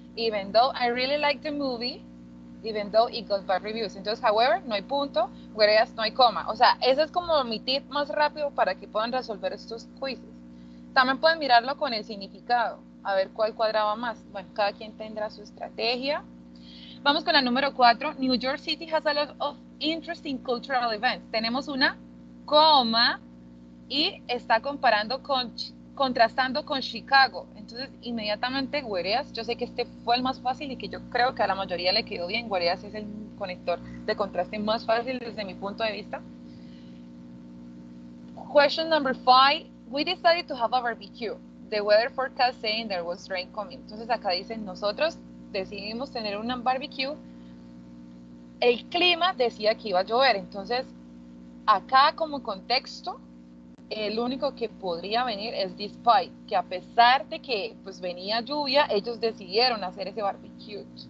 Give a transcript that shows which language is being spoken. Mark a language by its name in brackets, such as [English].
[English] Even though I really like the movie, even though it got bad reviews. [Spanish] Entonces, however, no hay punto. Whereas, no hay coma. O sea, ese es como mi tip más rápido para que puedan resolver estos quizzes. También pueden mirarlo con el significado. A ver cuál cuadraba más. Bueno, cada quien tendrá su estrategia. Vamos con la número 4. [English] New York City has a lot of interesting cultural events. [Spanish] Tenemos una coma y está comparando con, contrastando con Chicago. Entonces, inmediatamente, Guareas, yo sé que este fue el más fácil y que yo creo que a la mayoría le quedó bien. Guareas es el conector de contraste más fácil desde mi punto de vista. [English] Question number 5. We decided to have a barbecue. The weather forecast saying there was rain coming. [Spanish] Entonces acá dicen, nosotros decidimos tener una barbecue. El clima decía que iba a llover. Entonces, acá como contexto, el único que podría venir es despite, que a pesar de que pues venía lluvia, ellos decidieron hacer ese barbecue.